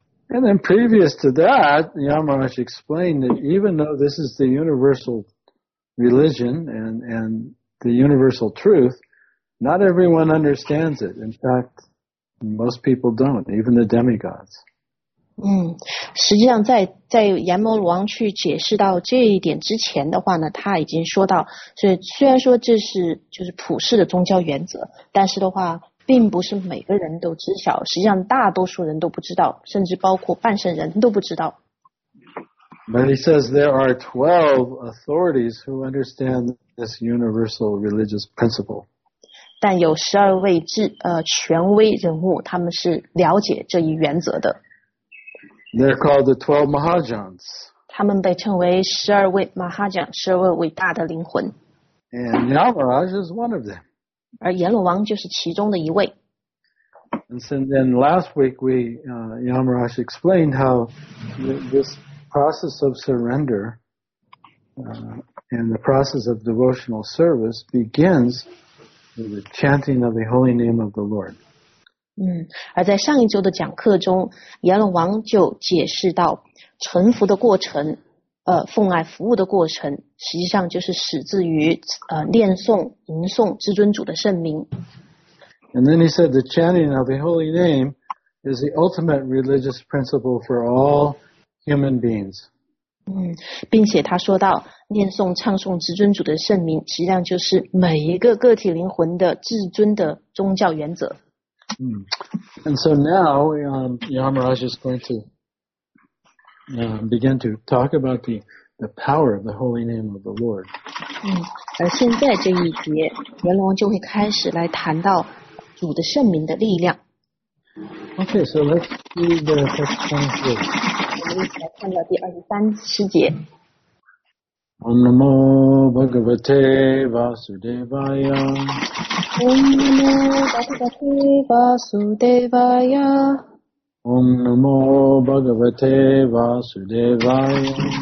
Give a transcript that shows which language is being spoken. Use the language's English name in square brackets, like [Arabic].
[English] And then previous to that, Yamaraj explained that even though this is the universal religion and the universal truth, not everyone understands it. In fact, most people don't, even the demigods. [Chinese] 实际上在阎罗王去解释到这一点之前的话呢，他已经说到，所以虽然说这是就是普世的宗教原则，但是的话，并不是每个人都知晓，实际上大多数人都不知道，甚至包括半圣人都不知道。 [English] But he says there are 12 authorities who understand this universal religious principle. [Chinese] 但有十二位权威人物，他们是了解这一原则的。They're [English] called the 12 Mahajans. [Chinese] 他们被称为十二位Mahajan，十二位伟大的灵魂。 [English] And Yamaraj is one of them. [Chinese] 而阎罗王就是其中的一位。 [English] And so then last week we, Yamaraj explained how this process of surrender, and the process of devotional service begins with the chanting of the holy name of the Lord. [Chinese] 嗯，而在上一周的讲课中，阎罗王就解释到臣服的过程，奉爱服务的过程，实际上就是始自于念诵、吟诵至尊主的圣名。 [English] And then he said the chanting of the holy name is the ultimate religious principle for all human beings. [Chinese] 嗯，并且他说到念诵、唱诵至尊主的圣名，实际上就是每一个个体灵魂的至尊的宗教原则。 [English] And so now, Yamaraj is going to begin to talk about the power of the holy name of the Lord. [Chinese] 嗯，而现在这一节，阎罗王就会开始来谈到主的圣名的力量。 [English] Okay, so let's see the first one here. [Chinese] 我们一起来看到第二十三十节。 [Sanskrit] Om Namo Bhagavate Vasudevaya. Om Namo Bhagavate Vasudevaya. Om Namo Bhagavate Vasudevaya.